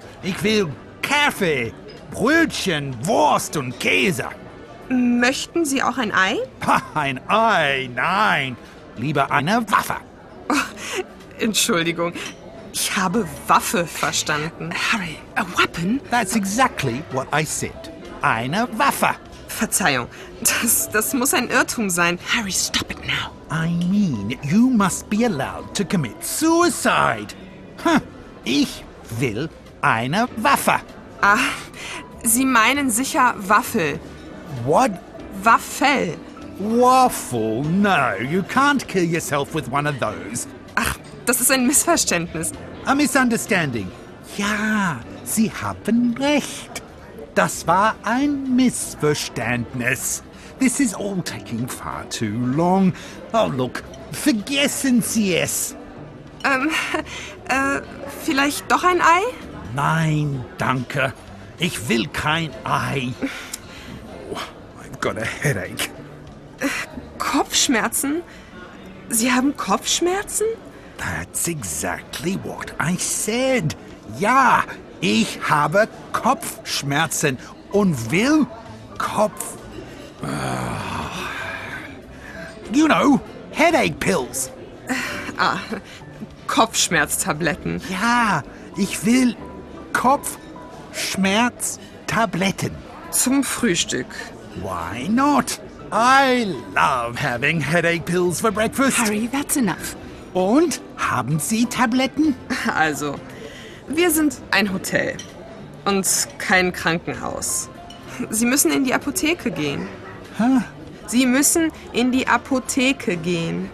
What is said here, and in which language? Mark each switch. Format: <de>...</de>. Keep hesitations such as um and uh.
<de>Ich will Kaffee, Brötchen, Wurst und Käse. Möchten Sie auch ein Ei? Ein Ei, nein. Lieber eine Waffe. Oh, Entschuldigung. Ich habe Waffe verstanden.</de> <en>Harry, a weapon? That's exactly what I said.</en> <de>Eine Waffe. Verzeihung. Das, das muss ein Irrtum sein.</de> <en>Harry, stop it now. I mean, you must be allowed to commit suicide.</en> <de>Hm. Ich will eine Waffe. Ah, Sie meinen sicher Waffel.</de> <en>What? Waffel. Waffle? No, you can't kill yourself with one of those.</en> <de>Ach, das ist ein Missverständnis.</de> <en>A misunderstanding.</en> <de>Ja, Sie haben recht. Das war ein Missverständnis.</de> <en>This is all taking far too long. Oh, look,</en> <de>vergessen Sie es. Ähm, um, äh, uh, vielleicht doch ein Ei? Nein, danke. Ich will kein Ei.</de> <en>Oh, I've got a headache. Kopfschmerzen?</en> <de>Sie haben Kopfschmerzen?</de> <en>That's exactly what I said. Ja, yeah.</en> <de>Ich habe Kopfschmerzen und will Kopf.</de> <en>You know, headache pills. Ah, Kopfschmerztabletten.</en> <de>Ja, ich will Kopfschmerztabletten. Zum Frühstück.</de> <en>Why not? I love having headache pills for breakfast. Harry, that's enough.</en> <de>Und haben Sie Tabletten? Also. Wir sind ein Hotel und kein Krankenhaus. Sie müssen in die Apotheke gehen. Huh? Sie müssen in die Apotheke gehen.</de>